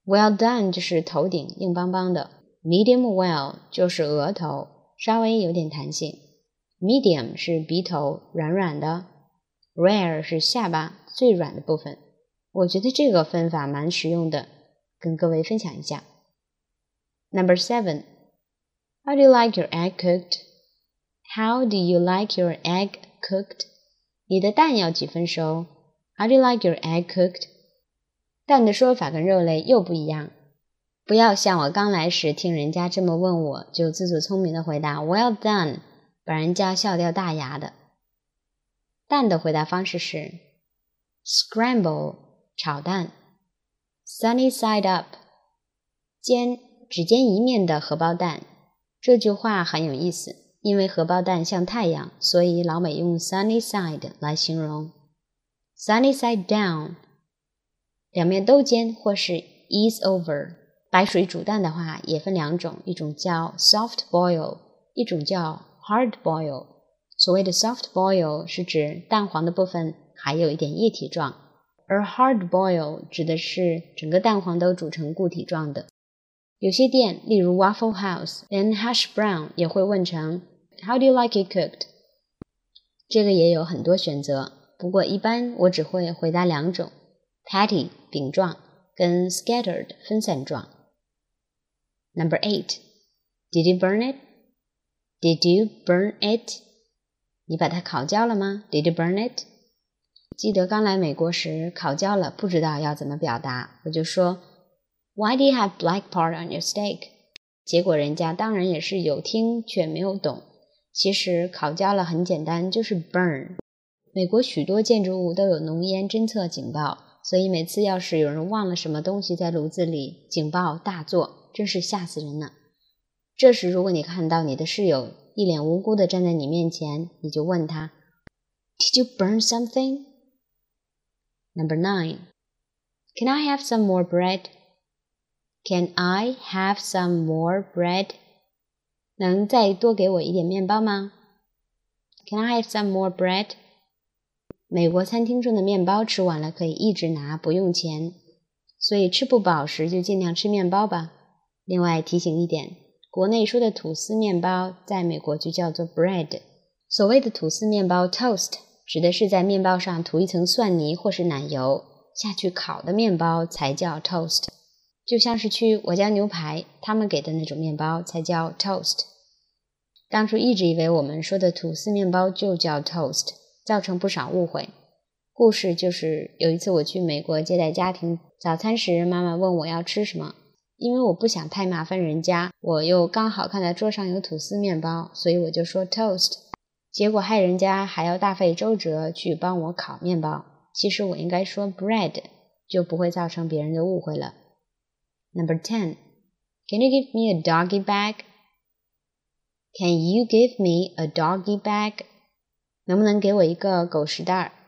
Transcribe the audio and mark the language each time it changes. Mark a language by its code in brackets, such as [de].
[zh] Well done 就是头顶硬邦邦的， Medium well 就是额头稍微有点弹性， Medium 是鼻头软软的， Rare 是下巴最软的部分。我觉得这个分法蛮实用的，跟各位分享一下。 [en] Number 7， How do you like your egg cooked? How do you like your egg cooked? [zh] 你的蛋要几分熟？ [en] How do you like your egg cooked? [zh] 蛋的说法跟肉类又不一样。不要像我刚来时听人家这么问我，就自作聪明的回答 Well done, 把人家笑掉大牙的。蛋的回答方式是 Scramble, 炒蛋 Sunny side up, 煎，只煎一面的荷包蛋。这句话很有意思，因为荷包蛋像太阳，所以老美用 sunny side 来形容。 sunny side down 两面都煎，或是 ease over。白水煮蛋的话也分两种，一种叫 soft boil， 一种叫 hard boil。所谓的 soft boil 是指蛋黄的部分还有一点液体状，而 hard boil 指的是整个蛋黄都煮成固体状的。有些店，例如 Waffle House and Hash Brown 也会问成 [en] How do you like it cooked? [zh] 这个也有很多选择，不过一般我只会回答两种， Patty 饼状跟 Scattered 分散状。 [en] Number 8， Did you burn it? Did you burn it? [zh] 你把它烤焦了吗？ [en] Did you burn it? [zh] 记得刚来美国时烤焦了不知道要怎么表达，我就说 [en] Why do you have black part on your steak? [zh] 结果人家当然也是有听却没有懂。其实烤焦了很简单，就是 burn。美国许多建筑物都有浓烟侦测警报，所以每次要是有人忘了什么东西在炉子里，警报大作，真是吓死人了。这时如果你看到你的室友一脸无辜地站在你面前，你就问他 [en] Did you burn something? Number 9， Can I have some more bread? Can I have some more bread? [zh] 能再多给我一点面包吗？ [en] Can I have some more bread? [zh] 美国餐厅中的面包吃完了可以一直拿不用钱，所以吃不饱时就尽量吃面包吧。另外提醒一点，国内说的吐司面包在美国就叫做 bread。所谓的吐司面包 toast 指的是在面包上涂一层蒜泥或是奶油下去烤的面包才叫 toast，就像是去我家牛排他们给的那种面包才叫 toast。当初一直以为我们说的吐司面包就叫 toast， 造成不少误会。故事就是有一次我去美国接待家庭，早餐时妈妈问我要吃什么，因为我不想太麻烦人家，我又刚好看到桌上有吐司面包，所以我就说 toast， 结果害人家还要大费周折去帮我烤面包。其实我应该说 bread， 就不会造成别人的误会了。 [en] Number 10. Can you give me a doggy bag? Can you give me a doggy bag? [zh] 能不能给我一个狗食袋？